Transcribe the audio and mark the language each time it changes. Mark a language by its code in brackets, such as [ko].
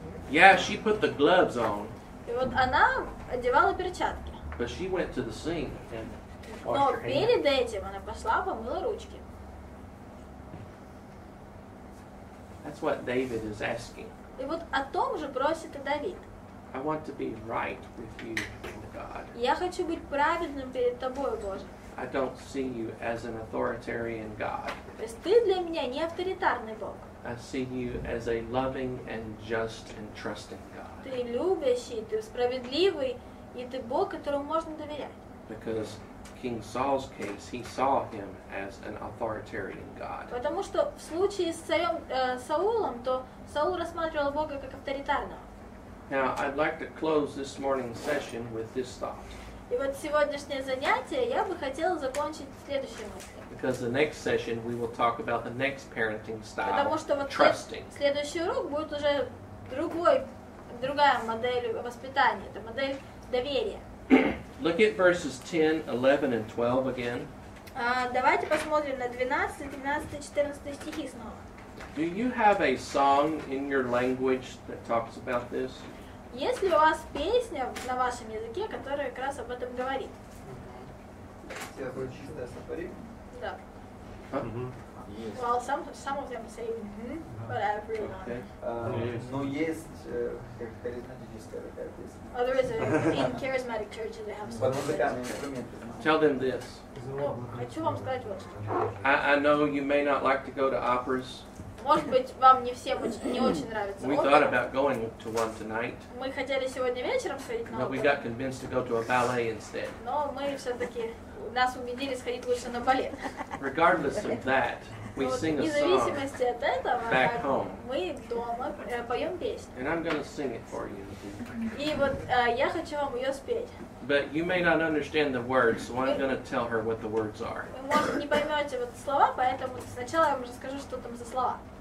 [en] Yeah, she put the gloves on. [ru] И вот она одевала перчатки. [en] But she went to the sink and washed her hands. [ru] Но перед этим она пошла помыла ручки. [en] That's what David is asking. [ru] И вот о том же просит и Давид. [en] I want to be right with you, God. [ru] Я хочу быть праведным перед тобой, Боже. [en] I don't see you as an authoritarian God. [ru] То есть ты для меня не авторитарный Бог. [en] I see you as a loving and just and trusting God. [ru] Ты любящий, ты справедливый, и ты Бог, которому можно доверять. [en] Because King Saul's case, he saw him as an authoritarian God. [ru] Потому что в случае с царем Саулом, то Саул рассматривал Бога как авторитарного. [en] Now I'd like to close this morning's session with this thought. [ru] И вот сегодняшнее занятие я бы хотела закончить следующей мыслью. [en] Because the next session we will talk about the next parenting style. [ru] Потому что вот [en] trusting. [ru] Следующий урок будет уже другой, другая модель воспитания. Это модель доверия. [en] Look at verses 10, 11, and 12 again. [ru] Давайте посмотрим на 12, 13, 14 стихи снова. [en] Do you have a song in your language that talks about this? [ru] Есть ли у вас песня на вашем языке, которая как раз об этом говорит? Все обучились на сапоги? Да. [en] Mm-hmm. Yes. Well, some of them say mm-hmm, but I agree [ru] with that. Но есть харизматическая такая песня. [en] Oh, there is a, in charismatic churches they have some. [ru] Под музыкальные инструменты. [en] Tell them this. [ru] Ну, хочу вам сказать вот что. [en] I know you may not like to go to operas. [ru] Может быть, вам не всем очень, не очень нравится. [en] We thought about going to one tonight. [ru] Мы хотели сегодня вечером сходить на оперу. [en] We got convinced to go to a ballet instead. [ru] Но мы все-таки нас убедили сходить лучше на балет. [en] Regardless of that, we sing a song. [ru] Независимости от этого, [en] back home. [ru] Мы дома поем песню. [en] And I'm going to sing it for you. [ru] И вот я хочу вам ее спеть. [en] But you may not understand the words, so I'm going to tell her what the words are. [ru] Вы, может, не поймете вот слова, поэтому сначала я вам расскажу, что там за слова.